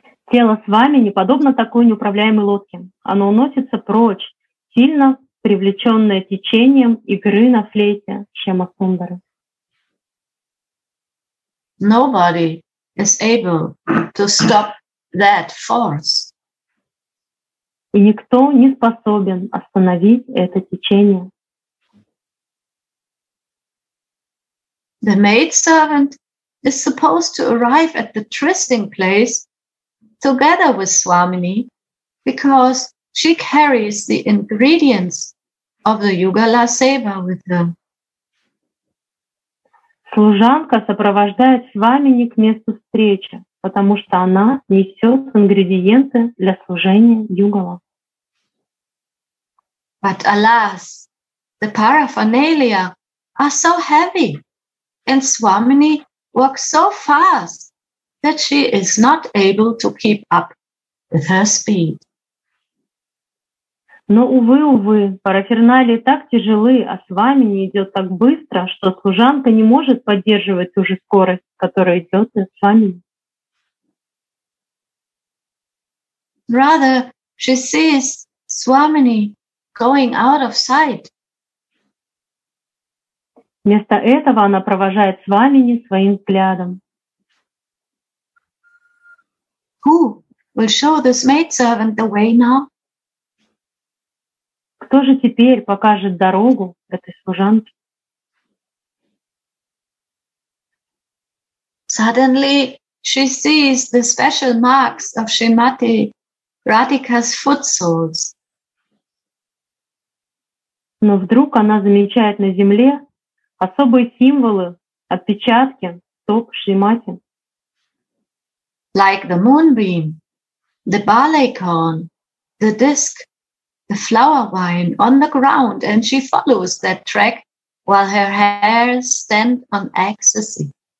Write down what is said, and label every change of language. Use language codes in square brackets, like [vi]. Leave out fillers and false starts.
[ru] Тело с вами не подобно такой неуправляемой лодке. Оно уносится прочь, сильно привлеченное течением игры на флейте Шамасундары. [en] Nobody is able to stop that force. [ru] И никто не способен остановить это течение. [en] The maidservant is supposed to arrive at the trysting place together with Swamini, because she carries the ingredients of the Yugala Seva with her. [ru] Служанка сопровождает Свамини к месту встречи, потому что она несет ингредиенты для служения Югала. [en] But alas, the paraphernalia are so heavy, and Swamini walks so fast that she is not able to keep up with her speed. [ru] Но, увы, увы, параферналии так тяжелы, а с вами не идет так быстро, что служанка не может поддерживать ту же скорость, которая идет с вами. [en] Rather, she sees Swamini going out of sight. [ru] Вместо этого она провожает Свамини своим взглядом. [en] Who will show this maidservant the way now? [ru] Кто же теперь покажет дорогу этой служанке? [en] Suddenly she sees the special marks of Shrimati Radhika's foot soles. [ru] Но вдруг она замечает на земле особые символы, отпечатки стоп Шримати. [en] Like the moonbeam, the barley corn, the disc, the flower vine on the ground, and she follows that track while her hairs stand on ecstasy.